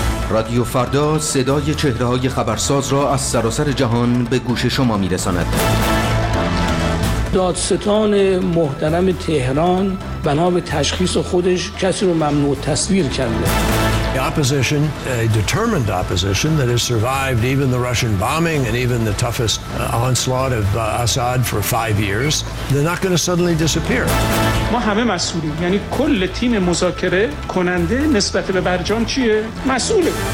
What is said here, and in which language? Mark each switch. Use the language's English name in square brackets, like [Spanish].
[Persian] رادیو فردا صدای چهره‌های خبرساز را از سراسر جهان به گوش شما می‌رساند. دادستان محترم تهران بنا به تشخیص خودش کسی رو ممنوع تصویر کرده. [English] The opposition, a determined opposition that has survived even the Russian bombing and even the toughest onslaught of Assad for 5 years, they're not going to suddenly disappear. [Persian] ما همه مسئولیم، یعنی کل تیم مذاکره کننده نسبت به برجام چیه؟ مسئوله.